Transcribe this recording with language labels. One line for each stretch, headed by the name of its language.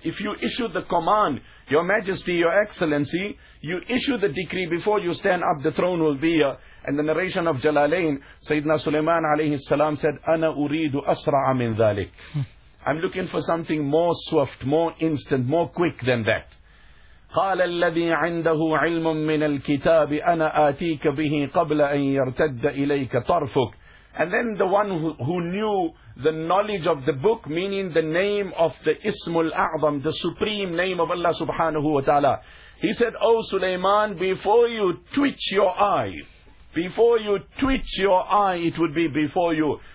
English: If you issue the command, Your Majesty, Your Excellency, you issue the decree before you stand up, the throne will be here. And the narration of Jalalain, Sayyidina Sulaiman alayhi salam said,
Arabic: أَنَا أُرِيدُ أَسْرَعَ مِن ذَلِكَ,
English: I'm looking for something more swift, more instant, more quick than that.
Arabic: قال الذي عنده علم من الكتاب أنا آتيك به قبل أن يرتد إليك طرفك.
English: And then the one who knew the knowledge of the book, meaning the name of the Ismul A'zam, the supreme name of Allah subhanahu wa ta'ala. He said, O Sulaiman, before you twitch your eye, it would be before you.